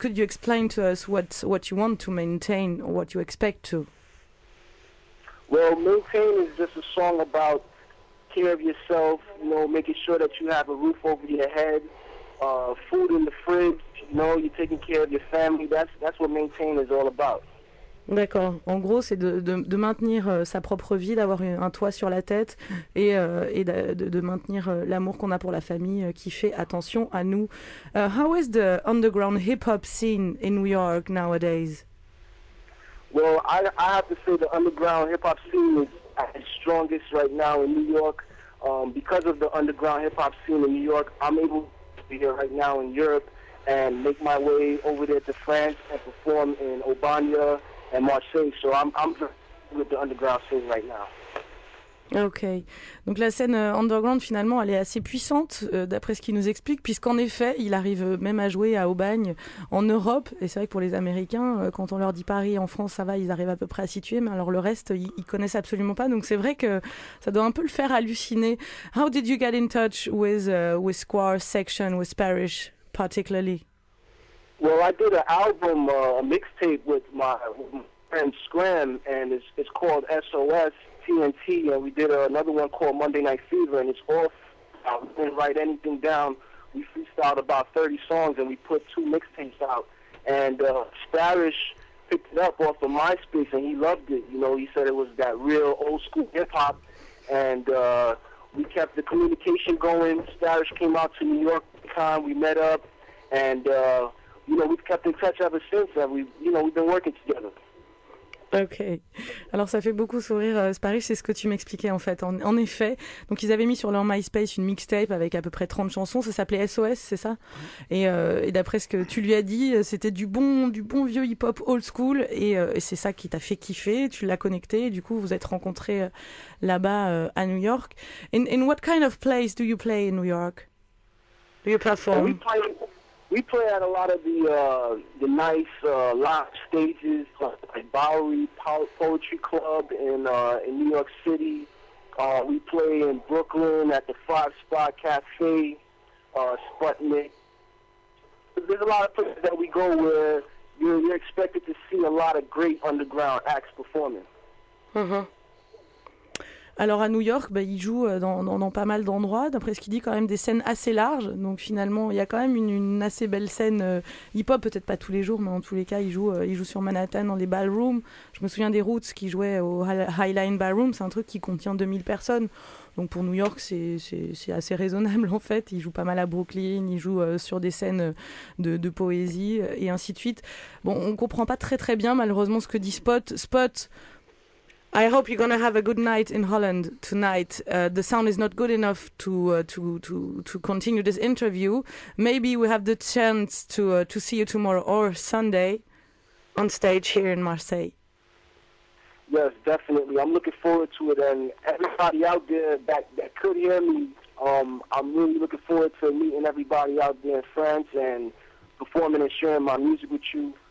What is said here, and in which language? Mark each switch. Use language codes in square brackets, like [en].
[en] Could you explain to us what you want to maintain, or what you expect to? Well, Maintain is just a song about care of yourself, you know, making sure that you have a roof over your head, food in the fridge, you know, you're taking care of your family. That's what Maintain is all about. [fr] D'accord. En gros, c'est de maintenir sa propre vie, d'avoir un toit sur la tête et de maintenir l'amour qu'on a pour la famille qui fait attention à nous. [en] How is the underground hip-hop scene in New York nowadays? Well, I have to say the underground hip-hop scene is at its strongest right now in New York. Because of the underground hip-hop scene in New York, I'm able to be here right now in Europe and make my way over there to France and perform in Aubagne and Marseille, so I'm with the underground scene right now. [fr] Ok, donc la scène underground finalement elle est assez puissante d'après ce qu'il nous explique, puisqu'en effet il arrive même à jouer à Aubagne en Europe, et c'est vrai que pour les Américains quand on leur dit Paris en France ça va, ils arrivent à peu près à situer, mais alors le reste ils connaissent absolument pas, donc c'est vrai que ça doit un peu le faire halluciner. [en] How did you get in touch with Square Section, with Sparish particularly? Well, I did an album, a mixtape with my friend Scram, and it's called SOS TNT, and we did another one called Monday Night Fever, and it's off. I didn't write anything down. We freestyled about 30 songs, and we put two mixtapes out. And Sparish picked it up off of MySpace, and he loved it. You know, he said it was that real old-school hip-hop, and we kept the communication going. Sparish came out to New York at the time. We met up, and... You know, we've kept in touch ever since, and we've been working together. Okay. [fr] Alors ça fait beaucoup sourire, Sparish, c'est ce que tu m'expliquais en fait. En effet, donc ils avaient mis sur leur MySpace une mixtape avec à peu près 30 chansons, ça s'appelait SOS, c'est ça ? Et d'après ce que tu lui as dit, c'était du bon vieux hip-hop old school, et c'est ça qui t'a fait kiffer, tu l'as connecté, et du coup vous êtes rencontrés là-bas à New York. [en] In what kind of place do you play in New York ? Do you perform? We play at a lot of the nice live stages, like Bowery Poetry Club in New York City. We play in Brooklyn at the Five Spot Cafe, Sputnik. There's a lot of places that we go where you're expected to see a lot of great underground acts performing. Mm-hmm. [fr] Alors à New York, bah, il joue dans pas mal d'endroits, d'après ce qu'il dit, quand même des scènes assez larges. Donc finalement, il y a quand même une assez belle scène hip-hop, peut-être pas tous les jours, mais en tous les cas, il joue sur Manhattan dans les ballrooms. Je me souviens des Roots qui jouaient au Highline Ballroom, c'est un truc qui contient 2000 personnes. Donc pour New York, c'est assez raisonnable en fait. Il joue pas mal à Brooklyn, il joue sur des scènes de poésie et ainsi de suite. Bon, on comprend pas très très bien malheureusement ce que dit Spot. [en] I hope you're going to have a good night in Holland tonight. The sound is not good enough to continue this interview. Maybe we have the chance to see you tomorrow or Sunday. on stage here in Marseille. Yes, definitely. I'm looking forward to it, and everybody out there that could hear me, I'm really looking forward to meeting everybody out there in France and performing and sharing my music with you.